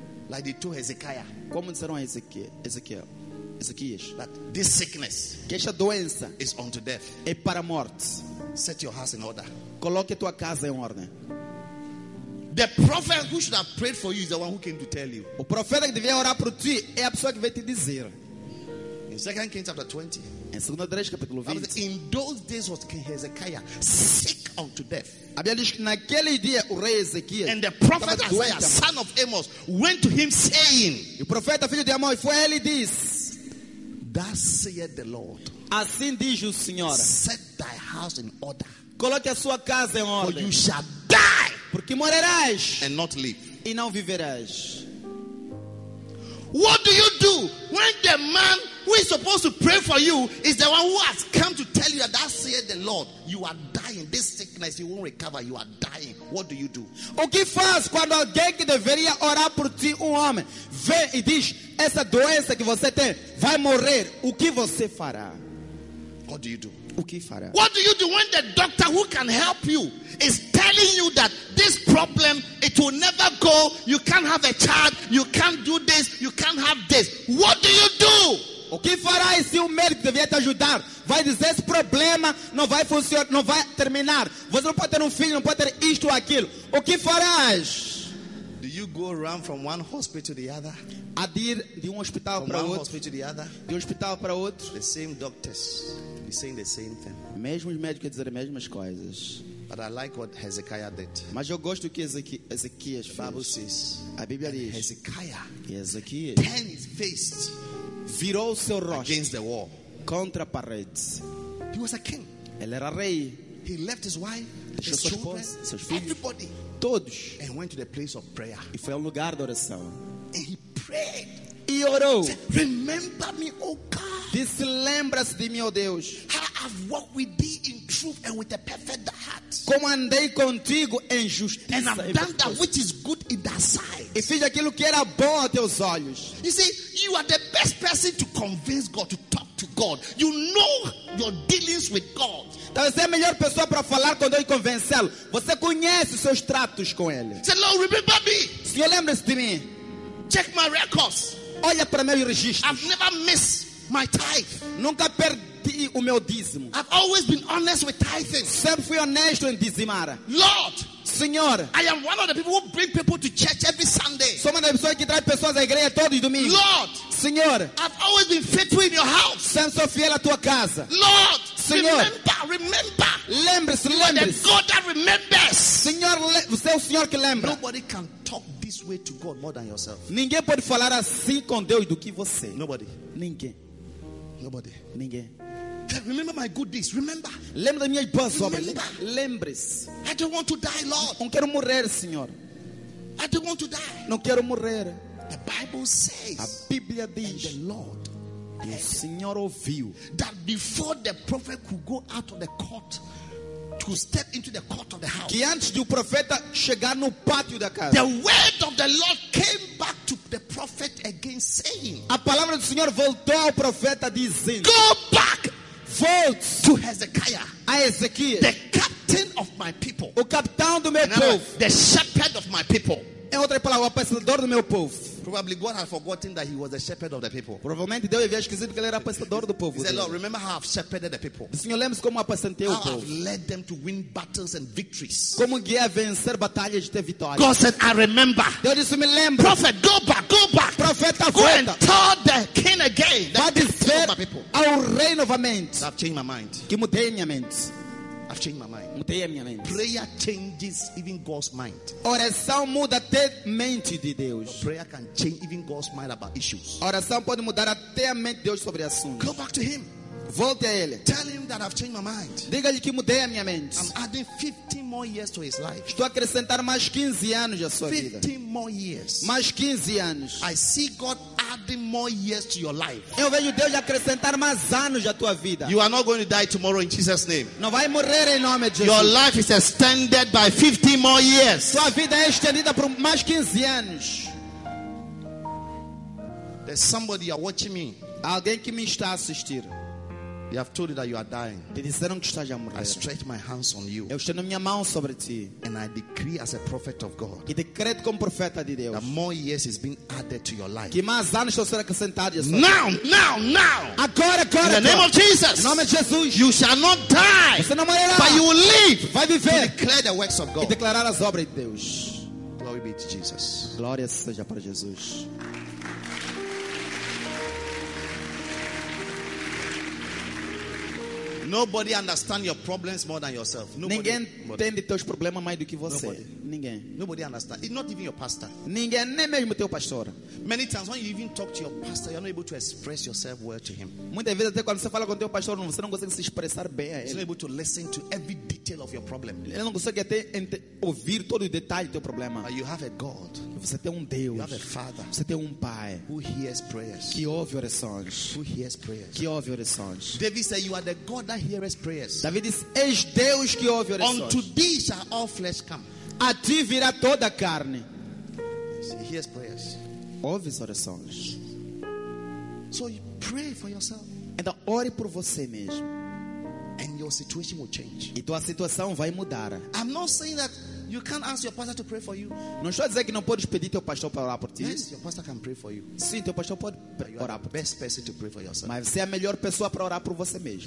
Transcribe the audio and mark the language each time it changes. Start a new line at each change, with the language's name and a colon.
English: like they told Hezekiah,
Portuguese: como disseram a Ezequiel, Ezequias,
English: that this sickness,
Portuguese: que esta doença,
English: is unto death,
Portuguese: é para a morte.
English: Set your house in order.
Portuguese: Coloque tua casa em ordem.
English: The prophet who should have prayed for you is the one who came to tell you.
Portuguese: O profeta que devia orar por ti é a pessoa que veio te dizer.
English: In 2 Kings chapter 20.
Portuguese: Em 2 Reis capítulo 20.
English: In those days was King Hezekiah sick unto death.
Portuguese: A Bíblia diz que naquele dia o rei Ezequias,
English: and the prophet Isaiah, son of Amos, went to him saying.
Portuguese: O profeta filho de Amós foi a ele e disse.
English: Thus saith the Lord.
Portuguese: Assim diz o Senhor.
English: Set thy house in order.
Portuguese: Coloque a sua casa em ordem.
English: For you shall die.
Portuguese: Porque morrerás.
English: And not live.
Portuguese: E não viverás.
English: What do you do when the man who is supposed to pray for you is the one who has come to tell you that, that saith the Lord, you are dying. This sickness, you won't recover. You are dying. What do you do?
Portuguese: O que faz quando alguém que deveria orar por ti, homem, vem e diz, essa doença que você tem vai morrer. O que você fará?
English: What do you do?
Portuguese: O que fará?
English: What do you do when the doctor who can help you is telling you that this problem, it will never go, you can't have a child, you can't do this, you can't have this. What do you do?
Portuguese: O que fará se o médico devia te ajudar? Vai dizer, esse problema não vai funcionar, não vai terminar. Você não pode ter filho, não pode ter isto ou aquilo. O que farás?
English: Do you go around from one hospital to the other?
Portuguese: A ir de hospital
English: from
Portuguese: para
English: one
Portuguese: outro.
English: Hospital to the other?
Portuguese: De hospital para outro.
English: The same doctors. Saying the same thing.
Portuguese: Mesmo os médicos dizer as mesmas coisas.
English: But I like what Hezekiah did.
Portuguese: Mas eu gosto do que Ezequias fez.
English: Bible says,
Portuguese: a Bíblia diz.
English: Hezekiah.
Portuguese: Ezequias.
English: Turned his face.
Portuguese: Virou seu rosto.
English: Against the wall.
Portuguese: Contra a parede.
English: He was a king.
Portuguese: Ele era rei.
English: He left his wife, his children,
Portuguese: seus filhos,
English: everybody,
Portuguese: todos,
English: and went to the place of prayer.
Portuguese: E foi ao lugar de oração.
English: And he prayed.
Portuguese: E orou.
English: Said, remember me, O God.
Portuguese: Disse, lembra-se de mim, ó Deus.
English: How I've walked with thee in truth and with a perfect heart.
Portuguese: Como andei contigo em justiça.
English: And I've done that which is good in thy sight.
Portuguese: E fiz aquilo que era bom aos teus olhos.
English: You see, you are the best person to convince God, to talk to God. You know your dealings with God.
Portuguese: Você é a melhor pessoa para falar com Deus e convencê-lo. Você conhece os seus tratos com Ele.
English: Say, Lord, remember me.
Portuguese: Senhor, lembra-se de mim.
English: Check my records.
Portuguese: Olha para meu registro.
English: I've never missed my tithe.
Portuguese: Nunca perdi o meu dízimo.
English: I've always been honest with tithing.
Portuguese: Sempre fui honesto em dizimar.
English: Lord,
Portuguese: Senhor,
English: I am one of the people who bring people to church every Sunday.
Portuguese: Sou uma das pessoas que traz pessoas à igreja todos os domingos.
English: Lord,
Portuguese: Senhor,
English: I've always been faithful in your house.
Portuguese: Sempre sou fiel à tua casa.
English: Lord,
Portuguese: Senhor,
English: remember.
Portuguese: Lembre-se, lembre-se.
English: God that remembers.
Portuguese: Senhor, você é o Senhor que lembra.
English: Nobody can talk this way to God more than yourself.
Portuguese: Ninguém pode falar assim com Deus do que você.
English: Nobody.
Portuguese: Ninguém.
English: Nobody.
Portuguese: Ninguém.
English: Remember my good deeds. Remember.
Portuguese: Lembre-se minhas boas obras.
English: Remember.
Portuguese: Lembre-se.
English: I don't want to die, Lord.
Portuguese: Não quero morrer, Senhor.
English: I don't want to die.
Portuguese: Não quero morrer.
English: The Bible says.
Portuguese: A Bíblia diz.
English: And the Lord.
Portuguese: E o Senhor ouviu.
English: That before the prophet could go out of the court. To step into the court of the house.
Portuguese: Que antes de o profeta chegar no pátio da casa.
English: The word of the Lord came back to the prophet again saying.
Portuguese: A palavra do Senhor voltou ao profeta dizendo.
English: Go back.
Portuguese: Volte.
English: To Hezekiah.
Portuguese: A Ezequias.
English: The captain of my people.
Portuguese: O capitão do meu povo.
English: The shepherd of my people.
Portuguese: Em outra palavra, o pastor do meu povo.
English: Probably God had forgotten that he was the shepherd of the people.
Portuguese: Provavelmente Deus havia esquecido que ele era pastor do povo.
English: Say, Lord, remember how I've shepherded the people.
Portuguese: Senhor, lembre-se como apacentei o povo.
English: How I've led them to win battles and victories.
Portuguese: Como guiei a vencer batalhas e ter vitórias.
English: God said, I remember.
Portuguese: Deus disse, me lembro.
English: Prophet, go back, go back.
Portuguese: Profeta,
English: go and tell the king again.
Portuguese: Vá dizer ao rei novamente.
English: I've changed my mind.
Portuguese: Que mudei minha mente.
English: I've changed my mind.
Portuguese: Mudei a minha mente.
English: Prayer changes even God's mind.
Portuguese: Oração muda até a mente de Deus.
English: Prayer can change even God's mind about issues.
Portuguese: Oração pode mudar até a mente de Deus sobre assuntos.
English: Go back to Him.
Portuguese: Volte a Ele.
English: Tell Him that I've changed my mind.
Portuguese: Diga-lhe que mudei a minha mente.
English: I'm adding 15 more years to His life.
Portuguese: Estou a acrescentar mais 15 anos à sua 15 vida.
English: 15 more years.
Portuguese: Mais 15 anos.
English: I see God adding more years to your life.
Portuguese: Eu vejo Deus acrescentar mais anos à tua vida.
English: You are not going to die tomorrow in Jesus' name.
Portuguese: Não vai morrer em nome de Jesus.
English: Your life is extended by 15 more years.
Portuguese: Sua vida é estendida por mais 15 anos.
English: There's somebody watching me.
Portuguese: Alguém que me está assistindo.
English: They have told you that you are dying.
Portuguese: Te disseram que estás a morrer.
English: I stretch my hands on you.
Portuguese: Eu estendo minha mão sobre ti.
English: And I decree as a prophet of God.
Portuguese: E decreto como profeta de Deus.
English: That more years is being added to your life.
Portuguese: Que mais anos estão sendo acrescentados.
English: Now, now, now.
Portuguese: Agora, agora.
English: In the name of Jesus.
Portuguese: Em nome de Jesus.
English: You shall not die.
Portuguese: Você não morrerá.
English: But you will live.
Portuguese: Vai viver.
English: To declare the works of God.
Portuguese: E declarar as obras de Deus.
English: Glory be to Jesus.
Portuguese: Glória seja para Jesus.
English: Nobody understands your problems more than yourself. Nobody.
Portuguese: Ninguém entende teus problemas mais do que você.
English: Nobody.
Portuguese: Ninguém.
English: Nobody understands. It's not even your pastor.
Portuguese: Ninguém, nem mesmo teu pastor.
English: Many times when you even talk to your pastor, you're not able to express yourself well to him.
Portuguese: Muitas vezes até quando você fala com teu pastor, você não consegue se expressar bem a ele.
English: He's not able to listen to every detail of your problem.
Portuguese: Ele não consegue até ouvir todo o detalhe do teu problema.
English: But you have a God.
Portuguese: Você tem Deus.
English: You have a Father.
Portuguese: Você tem Pai.
English: Who hears prayers?
Portuguese: Que ouve orações.
English: Who hears prayers?
Portuguese: Que ouve orações.
English: David said, "You are the God that hears prayers."
Portuguese: David diz, "És Deus que ouve orações."
English: Unto thee shall all flesh come.
Portuguese: A ti virá toda carne.
English: He hears prayers.
Portuguese: Ouve orações.
English: So you pray for yourself.
Portuguese: Então ore por você mesmo.
English: And your situation will change.
Portuguese: E tua situação vai mudar.
English: I'm not saying that you can't ask your pastor to pray for you.
Portuguese: Não estou a dizer que não podes pedir teu pastor para orar por ti.
English: Yes, your pastor can pray for you.
Portuguese: Sim, teu pastor pode orar por ti.
English: Best person to pray for yourself.
Portuguese: Mas você é a melhor pessoa para orar por você mesmo.